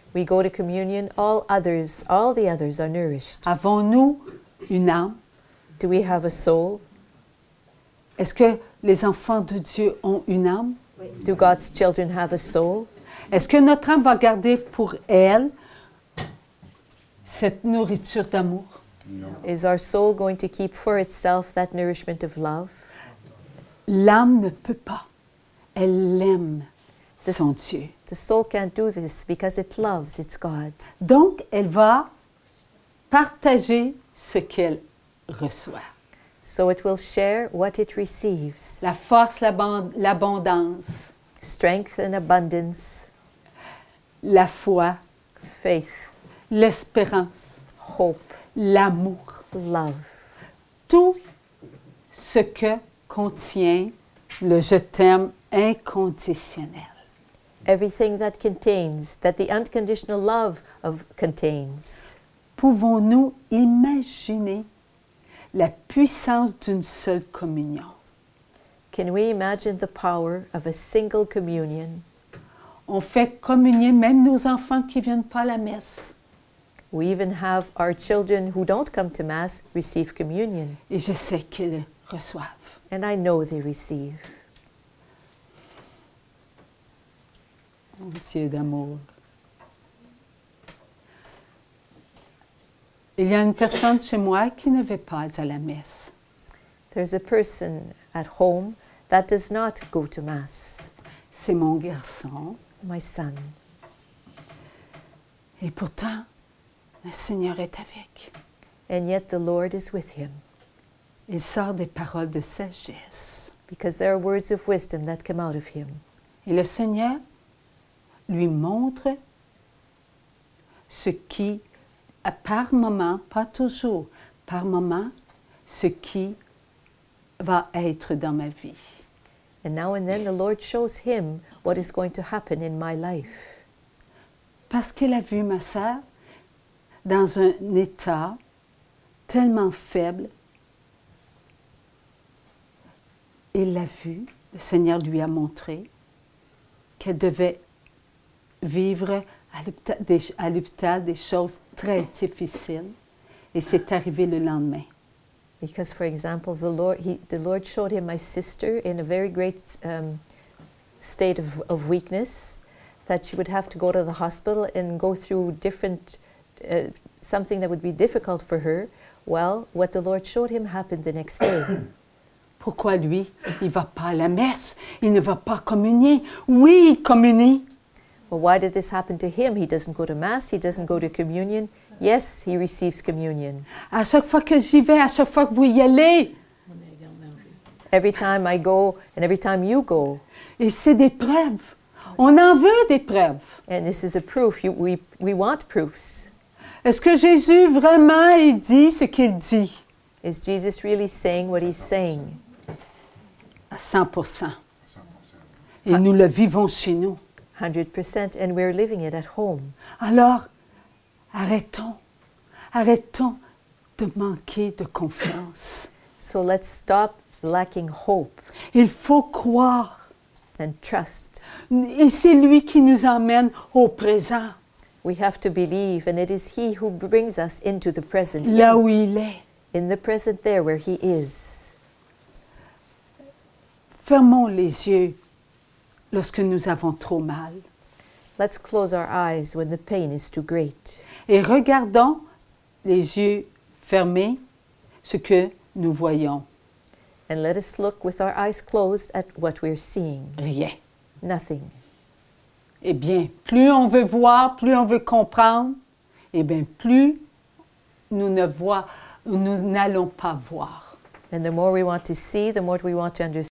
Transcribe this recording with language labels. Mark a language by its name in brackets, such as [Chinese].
[English] We go to communion, all the others are nourished. [French] Avons-nous une âme? [English] Do we have a soul? [French] Est-ce que les enfants de Dieu ont une âme? Oui. [English] Do God's children have a soul? [French] Est-ce que notre âme va garder pour elle cette nourriture d'amour? [English] No. Is our soul going to keep for itself that nourishment of love? [French] L'âme ne peut pas. Elle aime son Dieu. [English] The soul can't do this because it loves its God. [French] Donc, elle va partager ce qu'elle reçoit. [English] So it will share what it receives. [French] La force, l'abondance. [English] Strength and abundance. [French] La foi. [English] Faith. [French] L'espérance. [English] Hope. [French] L'amour. [English] Love. [French] Tout ce que contient le je t'aime inconditionnel. [English] Everything that contains, that the unconditional love of contains. [French] Pouvons-nous imaginer la puissance d'une seule communion? [English] Can we imagine the power of a single communion? [French] On fait communier même nos enfants qui ne viennent pas à la messe. [English] We even have our children who don't come to mass receive communion. [French] Et je sais qu'ils reçoivent. [English] And I know they receive. [French] Entier d'amour. Il y a une personne chez moi qui ne va pas à la messe. [English] There's a person at home that does not go to mass. [French] C'est mon garçon. [English] My son. [French] Et pourtant, le Seigneur est avec. [English] And yet the Lord is with him. [French] Il sort des paroles de sagesse. [English] Because there are words of wisdom that come out of him. [French] Et le Seigneur lui montre ce qui, par moment, pas toujours, par moment, ce qui va être dans ma vie. [English] And now and then the Lord shows him what is going to happen in my life. [French] Parce qu'il a vu ma sœur dans un état tellement faible, il l'a vu, le Seigneur lui a montré qu'elle devait vivre à l'hôpital des choses très difficiles et c'est arrivé le lendemain. [English] Because, for example, the Lord showed him my sister in a very great state of weakness, that she would have to go to the hospital and go through different something that would be difficult for her. Well, what the Lord showed him happened the next day. [French] Pourquoi lui, il va pas à la messe, il ne va pas communier? Oui, il communie. [English] Well, why did this happen to him? He doesn't go to mass, he doesn't go to communion. Yes, he receives communion. [French] À chaque fois que j'y vais, à chaque fois que vous y allez. [English] Every time I go and every time you go. [French] Et c'est des preuves. On en veut des preuves. [English] And this is a proof. We want proofs. [French] Est-ce que Jésus vraiment dit ce qu'il dit? [English] Is Jesus really saying what he's saying? [French] 100%. Et nous le vivons chez nous. [English] 100%, and we're living it at home. [French] Alors, arrêtons. Arrêtons de manquer de confiance. [English] So let's stop lacking hope. [French] Il faut croire. [English] And trust. [French] Et c'est lui qui nous emmène au présent. [English] We have to believe, and it is he who brings us into the present. [French] Là où il est. [English] In the present there where he is. [French] Fermons les yeux lorsque nous avons trop mal. [English] Let's close our eyes when the pain is too great. [French] Et regardons les yeux fermés ce que nous voyons. [English] And let us look with our eyes closed at what we're seeing. [French] Rien. [English] Nothing. [French] Eh bien, plus on veut voir, plus on veut comprendre, eh bien, plus nous ne voyons, nous n'allons pas voir. [English] And the more we want to see, the more we want to understand.